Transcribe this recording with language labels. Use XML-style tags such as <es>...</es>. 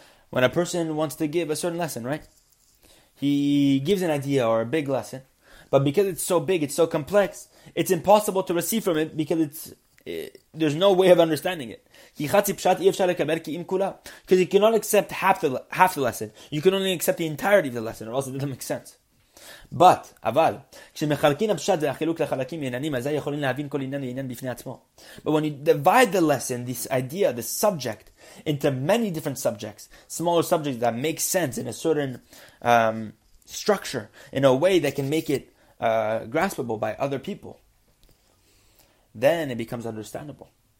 <en>When a person wants to give a certain lesson, right? He gives an idea or a big lesson, but because it's so big, it's so complex, it's impossible to receive from it because there's no way of understanding it. Because you cannot accept half the lesson. You can only accept the entirety of the lesson, or else it doesn't make sense. But,</en> <he>aval, כשמחלקים הפשט והחילוק לחלקים מעננים, אז יכולים להבין כל עניין לעניין בפני עצמו.</he> <en>But when you divide the lesson, this idea, the subject, into many different subjects, smaller subjects that make sense in a certain structure, in a way that can make it graspable by other people, then it becomes understandable.</en>